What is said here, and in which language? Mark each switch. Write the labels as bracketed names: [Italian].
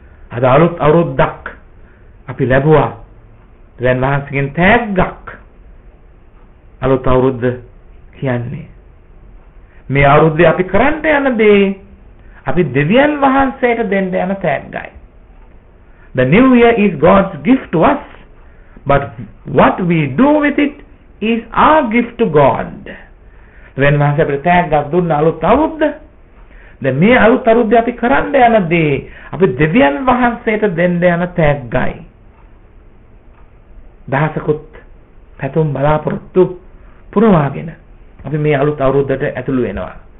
[Sinhala] අද අලුත් අවුරුද්දක් අපි ලැබුවා, දැන් වහන්සේගෙන් තෑග්ගක්. අලුත් අවුරුද්ද කියන්නේ මේ අවුරුද්දේ අපි කරන්න යන දේ අපි දෙවියන් වහන්සේට දෙන්න යන තෑග්ගයි. [English] The new year is God's gift to us, but what we do with it is our gift to God. [Sinhala] දැන් වහන්සේ අපිට තෑග්ගක් දුන්න අලුත් අවුරුද්ද, දැන් මේ අලුත් අවුරුද්ද අපි කරන්න යන දේ අපි දෙවියන් වහන්සේට දෙන්න යන තෑග්ගයි. දහසකුත් පැතුම් බලාපොරොත්තු පුරවාගෙන අපි මේ අලුත් අවුරුද්දට ඇතුළු වෙනවා.